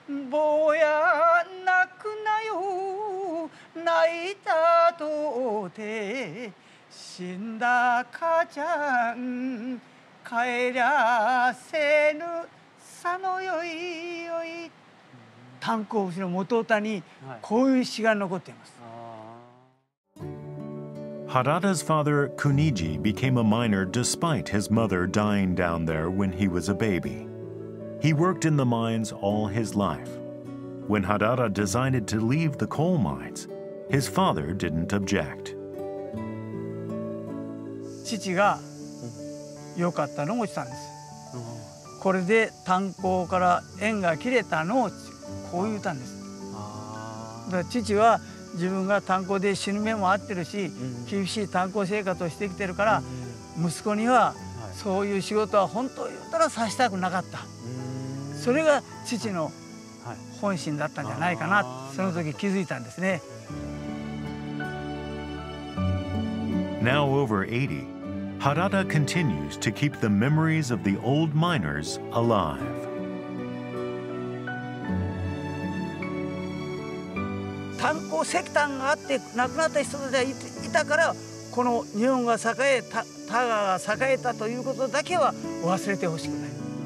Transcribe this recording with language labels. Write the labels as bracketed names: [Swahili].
[Japanese] 坊や泣くなよ泣いたとて死んだ母ちゃん帰りゃせぬさのよいよい炭鉱節の元歌にこういう詩が残っています。 [English] Harada's father Kuniji became a miner despite his mother dying down there when he was a baby. He worked in the mines all his life. When Harada decided to leave the coal mines, his father didn't object. [Japanese] 父が良かったのをしたんです。これで炭鉱から縁が切れたのをこう言ったんです。だから父は自分が炭鉱で死ぬ目もあってるし、うん、厳しい炭鉱生活をしてきてるから、うん、息子にはそういう仕事は本当言ったらさしたくなかった、うん、それが父の本心だったんじゃないかな、はい、その時気づいたんですね。 [English] Now over 80, Harada continues to keep the memories of the old miners alive. [Japanese] 炭鉱石炭があって亡くなった人たちがいたからこの日本が栄えた、田川が栄えたということだけは忘れてほしくない。